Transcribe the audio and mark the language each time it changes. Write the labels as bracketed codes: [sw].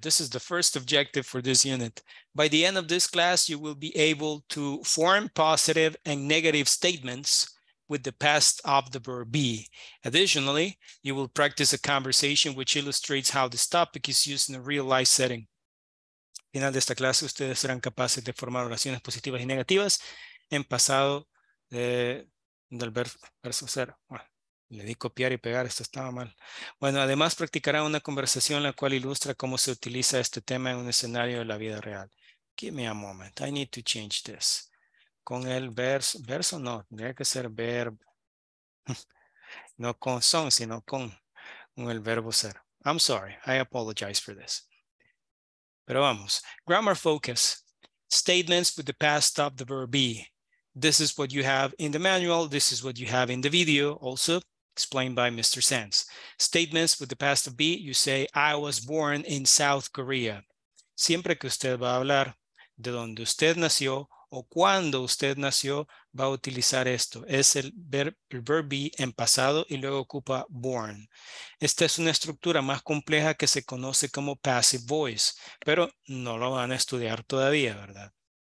[en] This is the first objective for this unit. By the end of this class, you will be able to form positive and negative statements with the past of the verb be. Additionally, you will practice a conversation which illustrates how this topic is used in a real life setting. [es] Final de esta clase, ustedes serán capaces de formar oraciones positivas y negativas en pasado del verso cero. Bueno. Le di copiar y pegar, esto estaba mal. Bueno, además practicará una conversación la cual ilustra cómo se utiliza este tema en un escenario de la vida real. [en] Give me a moment. I need to change this. [es] Con el verso no, tendría que ser verb. No con son, sino con el verbo ser. [en] I'm sorry. I apologize for this. [es] Pero vamos. [en] Grammar focus. Statements with the past of the verb be. This is what you have in the manual. This is what you have in the video, also explained by Mr. Sands. Statements with the past of be, you say, I was born in South Korea. [es] Siempre que usted va a hablar de donde usted nació o cuando usted nació, va a utilizar esto. Es el verb be en pasado y luego ocupa born. Esta es una estructura más compleja que se conoce como passive voice, pero no lo van a estudiar todavía, ¿verdad?